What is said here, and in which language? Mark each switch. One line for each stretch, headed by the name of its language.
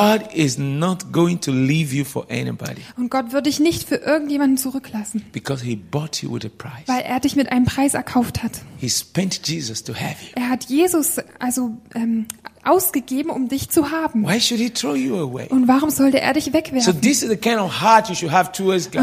English: God is not going to leave you for anybody.
German: Und Gott wird dich nicht für irgendjemanden zurücklassen.
English: Because he bought you with a price.
German: Weil er dich mit einem Preis erkauft hat.
English: He spent Jesus to have you.
German: Er hat Jesus also ausgegeben, um dich zu haben.
English: Why should he throw you away?
German: Und warum sollte er dich wegwerfen?
English: So this is the kind of heart you should have towards God.